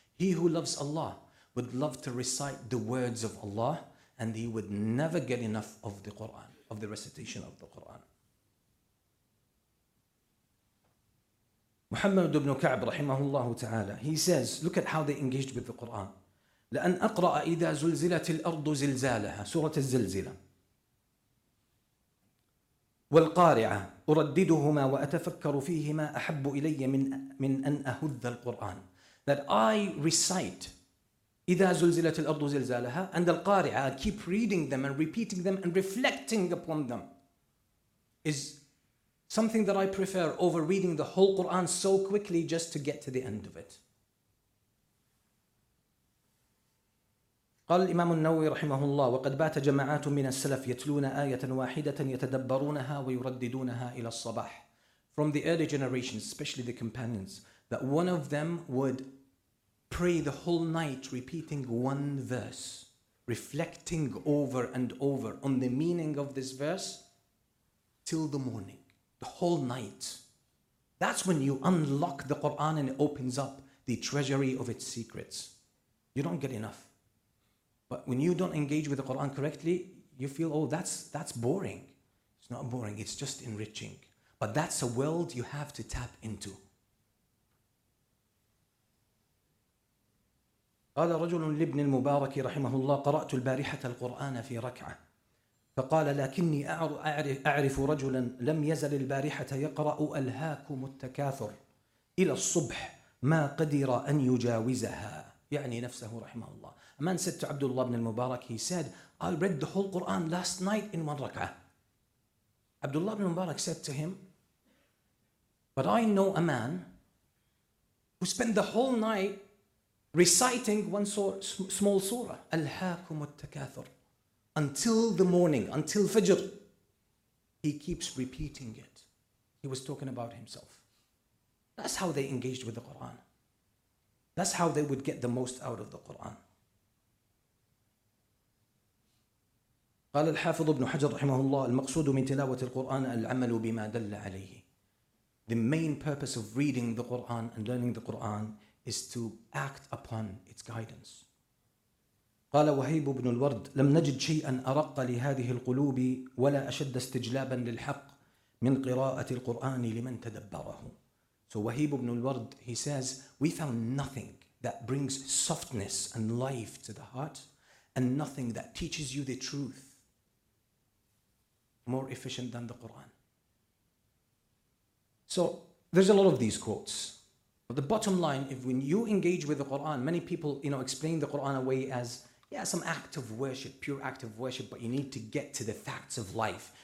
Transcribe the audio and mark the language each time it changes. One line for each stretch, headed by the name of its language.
English: He who loves Allah would love to recite the words of Allah, and he would never get enough of the Quran, of the recitation of the Quran. Muhammad ibn Ka'b rahimahullah ta'ala, he says, look at how they engaged with the Quran.
Arabic: لأن أقرأ إذا زلزلت الأرض زلزالها سورة الزلزلة والقارعة أرددهما وأتفكر فيهما أحب إلي من أن أهذ القرآن.
English: That I recite
Arabic: إِذَا زُلْزِلَتِ الْأَرْضُ زِلْزَالَهَا
English: and Al-Qari'ah, keep reading them and repeating them and reflecting upon them, is something that I prefer over reading the whole Qur'an so quickly just to get to the end of it.
Arabic: قال الإمام النووي رحمه الله وقد بات جماعات من السلف يتلون آية واحدة يتدبرونها ويرددونها إلى الصباح.
English: From the early generations, especially the companions, that one of them would pray the whole night repeating one verse, reflecting over and over on the meaning of this verse till the morning, the whole night. That's when you unlock the Quran and it opens up the treasury of its secrets. You don't get enough. But when you don't engage with the Quran correctly, you feel, oh, that's boring. It's not boring, it's just enriching. But that's a world you have to tap into.
Arabic: قال رجل لابن المبارك رحمه الله قرأت البارحة القرآن في ركعة فقال لكني أعرف رجلا لم يزل البارحة يقرأ ألهاكم التكاثر إلى الصبح ما قدر أن يجاوزها يعني نفسه رحمه الله.
English: A man said to Abdullah ibn al-Mubarak, he said, I read the whole Quran last night in one rak'ah. Abdullah ibn al-Mubarak said to him, but I know a man who spent the whole night reciting one small surah, Al-Hakum al-Takathur, until the morning, until Fajr. He keeps repeating it. He was talking about himself. That's how they engaged with the Quran. That's how they would get the most out of the Quran.
Arabic: قال الحافظ ابن حجر رحمه الله المقصود من تلاوة القرآن العمل بما دل عليه.
English: The main purpose of reading the Quran and learning the Quran is to act upon its guidance.
Arabic: قال وهيب بن الورد لم نجد شيئا أرق لهذه القلوب ولا أشد استجلابا للحق من قراءة القرآن لمن تدبره.
English: So وهيب بن الورد, he says, we found nothing that brings softness and life to the heart and nothing that teaches you the truth more efficient than the Quran. So there's a lot of these quotes. But the bottom line, if when you engage with the Quran, many people, you know, explain the Quran away as, yeah, some act of worship, pure act of worship, but you need to get to the facts of life.